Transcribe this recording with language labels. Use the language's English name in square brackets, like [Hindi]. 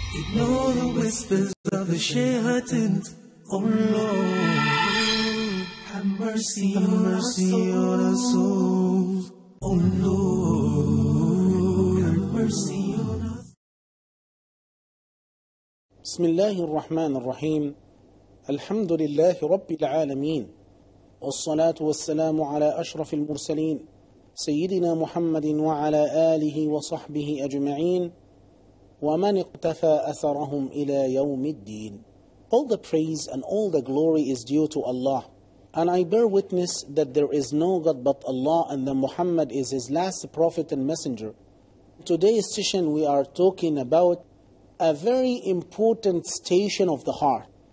[English] Ignore the whispers of the Shehatins. Oh Lord, have mercy on our souls. Oh Lord, have mercy on our souls. [Arabic] بسم الله الرحمن الرحيم. الحمد لله رب العالمين، والصلاة والسلام على أشرف المرسلين سيدنا محمد وعلى آله وصحبه أجمعين ومن اقتفى أثرهم إلى يوم الدين. [English] All the praise and all the glory is due to Allah, and I bear witness that there is no God but Allah and that Muhammad is his last prophet and messenger. Today's session we are talking about a very important station of the heart.